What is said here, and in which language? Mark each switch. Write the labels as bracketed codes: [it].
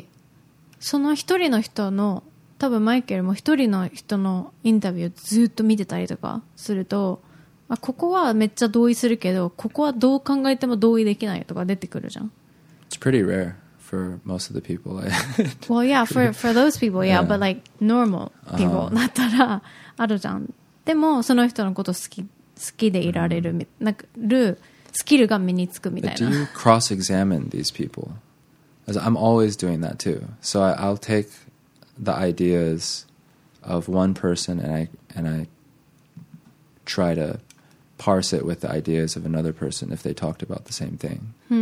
[ja] そういうのは結構好きだけど、だからこう、でなんかさ、そういうのを聞いてるとやっぱりその一人の人の、 多分マイケルも一人の人のインタビューをずっと見てたりとかすると、あ、ここはめっちゃ同意するけど、ここはどう考えても同意できないとか出てくるじゃん。 [en] It's pretty rare for most of the people. Well, yeah, for those people, yeah, but like normal people [ja] だったらあるじゃん。でもその人のこと好きでいられる、なんかるスキルが身につくみたいな。 [en] But do you cross-examine these people? I'm always doing that too. So I'll takethe ideas of one person and I try to parse it with the ideas of another person if they talked about the same thing.